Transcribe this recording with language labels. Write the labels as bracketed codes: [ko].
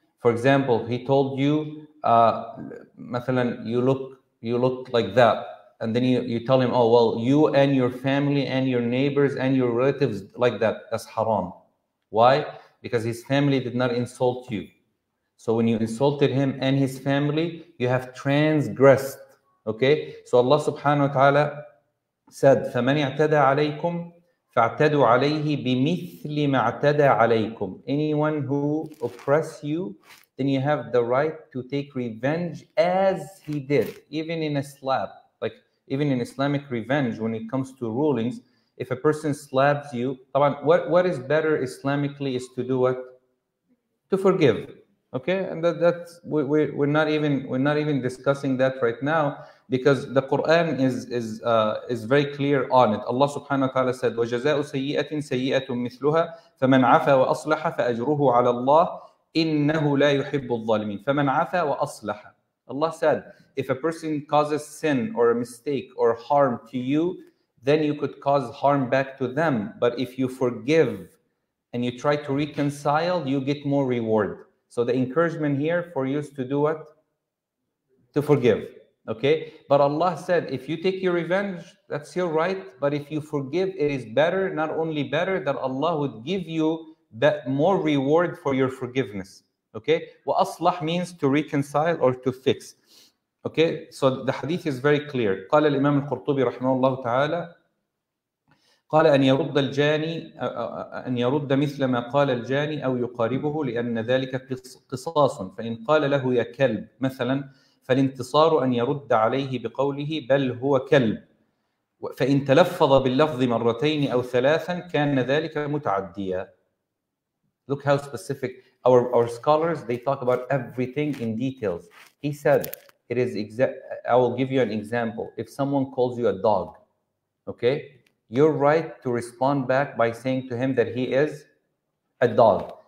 [en] For example, he told you, you look like that. And then you tell him, oh, well, you and your family and your neighbors and your relatives like that. That's haram. Why? Because his family did not insult you. So when you insulted him and his family, you have transgressed. Okay? [ar] So Allah subhanahu wa ta'ala said, فَمَنِ اعْتَدَى عَلَيْكُمْ فَاعْتَدُوا عَلَيْهِ بِمِثْلِ مَا اعْتَدَى عَلَيْكُمْ. [en] Anyone who oppress you, then you have the right to take revenge as he did, even in a slap. Like, even in Islamic revenge, when it comes to rulings, if a person slaps you, what is better Islamically is to do what? To forgive. Okay? And we're not even discussing that right now. Because the Quran is very clear on it. [ar] Allah subhanahu wa ta'ala said, وَجَزَاءُ سَيِّئَةٍ سَيِّئَةٌ مِثْلُهَا فَمَنْ عَفَى وَأَصْلَحَ فَأَجْرُهُ عَلَى اللَّهِ إِنَّهُ لَا يُحِبُّ الظَّالِمِينَ فَمَنْ عَفَى وَأَصْلَحَ. [en] Allah said, if a person causes sin or a mistake or harm to you, then you could cause harm back to them. But if you forgive and you try to reconcile, you get more reward. So the encouragement here for you is to do what? To forgive. Okay, but Allah said, if you take your revenge, that's your right. But if you forgive, it is better, not only better, that Allah would give you that more reward for your forgiveness. Okay, وَأَصْلَح means to reconcile or to fix. Okay, so the hadith is very clear. [ar] قال الإمام القرطبي رحمه الله تعالى قال أن يرد الجاني أن يرد مثل ما قال الجاني أو يقاربه لأن ذلك قصاص فإن قال له يا كلب مثلا فالانتصار أن يرد عليه بقوله بل هو كلب فإن تلفظ باللفظ مرتين أو ثلاثا كان ذلك متعديا. [en] Look how specific our scholars, they talk about everything in details. He said, it is I will give you an example. If someone calls you a dog, okay, you're right to respond back by saying to him that he is a dog.